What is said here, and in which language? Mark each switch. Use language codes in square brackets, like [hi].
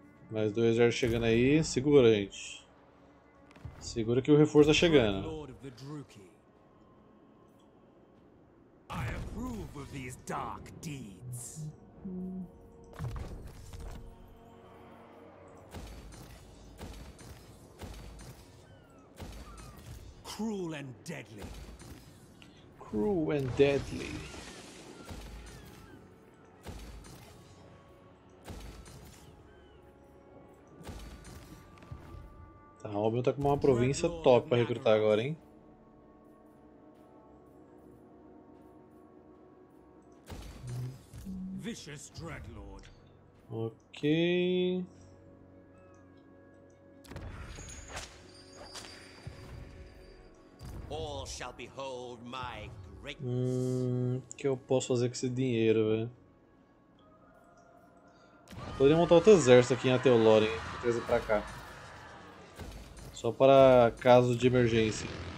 [pt] Mais dois exércitos chegando aí, segura gente. Segura que o reforço tá chegando. [en] I approve of these dark deeds. Cruel and deadly. Cruel and deadly. [pt] A Albion tá com uma província top pra recrutar agora, hein? [en] Vicious Dreadlord. Ok. All shall behold my greatness. [pt] Que eu posso fazer com esse dinheiro, velho? Poderia montar outro exército aqui em Ateolórien, trazer pra cá. Só para caso de emergência.